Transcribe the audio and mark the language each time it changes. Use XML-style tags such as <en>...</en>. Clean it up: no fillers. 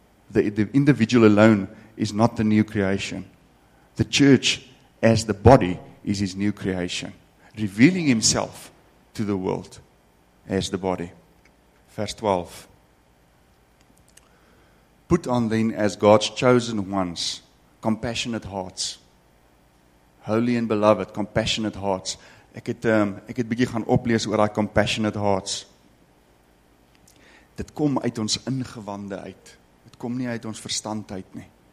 <en>The individual alone is not the new creation. The church as the body is his new creation, revealing himself to the world as the body. Verse 12. Put on then as God's chosen ones, compassionate hearts. Holy and beloved, compassionate hearts.</en> <af>Ek het bietjie gaan oplees oor daai</af> <en>compassionate hearts.</en> <af>Dit kom uit ons ingewande uit. Dit kom nie uit ons verstand uit nie.</af>